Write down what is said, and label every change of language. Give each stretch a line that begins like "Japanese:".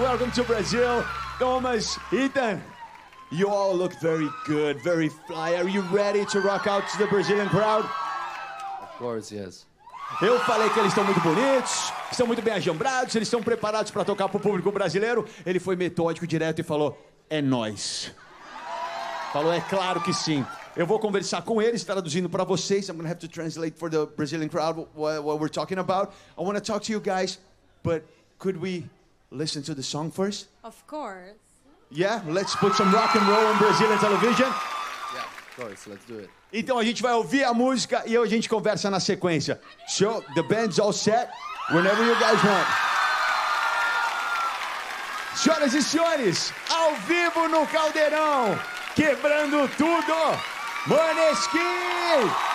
English: Welcome to Brazil, Thomas, Ethan. You all look very good, very fly. Are you ready to rock out to the Brazilian crowd? Of course, yes.
Portuguese: Eu falei que eles estão muito bonitos, estão muito bem ajambrados, eles estão preparados para tocar para o público brasileiro. Ele foi metódico, direto e falou, é nós. Falou, é claro que sim. Eu vou conversar com eles, traduzindo para vocês.
English: I'm going to have to translate for the Brazilian crowd what we're talking about. I want to talk to you guys, but could we listen to the song first? Of course. Yeah, let's put some rock and roll on Brazilian television. Yeah, of course, let's do it.
Portuguese: Então a gente vai ouvir a música e a gente conversa na sequência.
English: So, the band's all set, whenever you guys want.
Portuguese: Senhoras e senhores, ao vivo no Caldeirão, quebrando tudo, Måneskin!